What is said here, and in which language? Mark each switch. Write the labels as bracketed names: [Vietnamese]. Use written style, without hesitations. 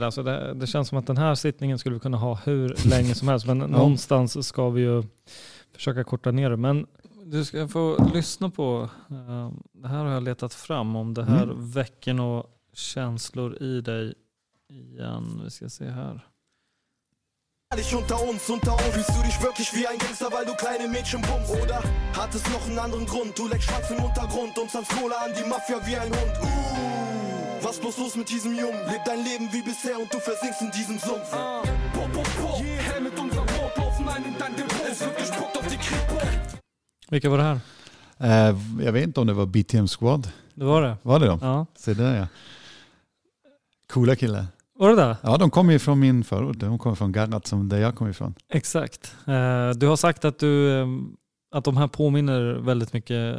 [Swedish] Alltså det känns som att den här sittningen skulle vi kunna ha hur länge som helst. Men någonstans ska vi ju försöka korta ner det. Men du ska få lyssna på, det här har jag letat fram, om det här väcker några känslor i dig igen. Vi ska se här. [German] Ehrlich unter uns, unter uns. Fühlst du dich wirklich wie ein Gangster, weil du kleine Mädchen bummst? Oder hat es noch einen anderen Grund? Du leckst schwarz im Untergrund und zahlst Kohle an die Mafia wie ein Hund. Was bloß los mit diesem Jungen? Leb dein Leben wie bisher und du versinkst in diesem Sumpf. Po, po, po. Yeah. Hey, mit unserem Boot laufen ein in dein Depot. Es wird gespuckt auf die Kripo. [Swedish] Vilka var det här? Jag vet inte om det var BTM Squad. Det var det. Var det då? Ja. Se där, ja. Coola kille. Var det där? Ja, de kommer ju från min förort. De kommer från Garnat, som där jag kommer ifrån. Exakt. Du har sagt att att de här påminner väldigt mycket.